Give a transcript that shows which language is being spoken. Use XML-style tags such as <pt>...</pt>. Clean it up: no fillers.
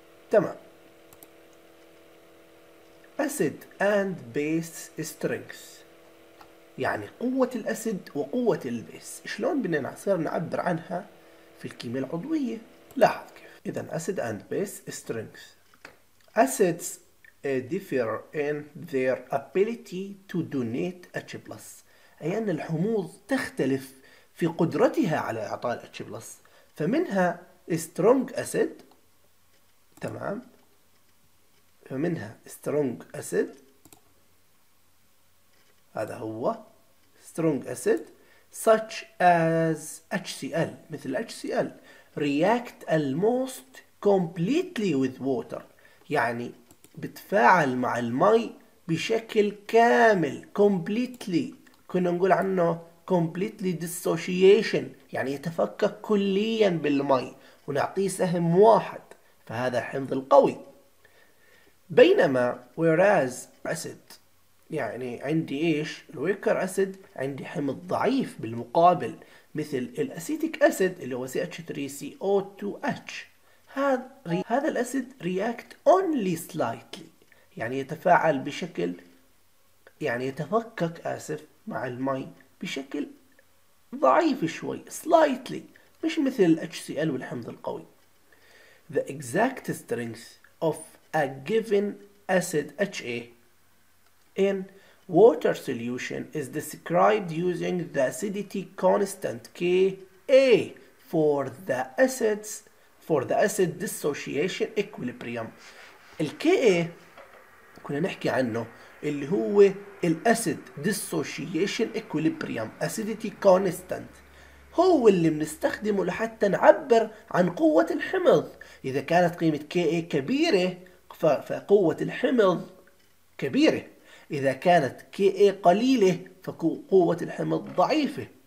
<ar>تمام. أسيد أند بيس سترينث، يعني قوة الأسيد وقوة البيس، شلون بدنا نصير نعبر عنها في الكيمياء العضوية؟ لاحظ كيف. إذا أسيد أند بيس سترينث.</ar> <en>Acids differ in their ability to donate H+.</en> <ar>أي أن الحموض تختلف في قدرتها على إعطاء H+. فمنها strong acid، تمام، فمنها strong acid، هذا هو</ar> <en>strong acid such as HCl،</en> <ar>مثل HCl</ar> <en>react almost completely with water،</en> <ar>يعني بتفاعل مع المي بشكل كامل completely. كنا نقول عنه completely dissociation، يعني يتفكك كليا بالمي ونعطيه سهم واحد، فهذا الحمض القوي. بينما whereas acid، يعني عندي ايش الويكر اسيد، عندي حمض ضعيف بالمقابل، مثل الاسيتيك اسيد اللي هو CH3CO2H. هذا الأسيد</ar> <en>react only slightly،</en> <ar>يعني يتفاعل بشكل، يعني يتفكك آسف مع المي بشكل ضعيف شوي slightly، مش مثل ال HCl والحمض القوي.</ar> <en>The exact strength of a given acid HA in water solution is described using the acidity constant KA for the acids for the acid dissociation equilibrium.</en> <ar>ال KA كنا نحكي عنه اللي هو ال acid dissociation equilibrium acidity constant، هو اللي بنستخدمه لحتى نعبر عن قوة الحمض. إذا كانت قيمة KA كبيرة فقوة الحمض كبيرة، إذا كانت KA قليلة فقوة الحمض ضعيفة.</ar>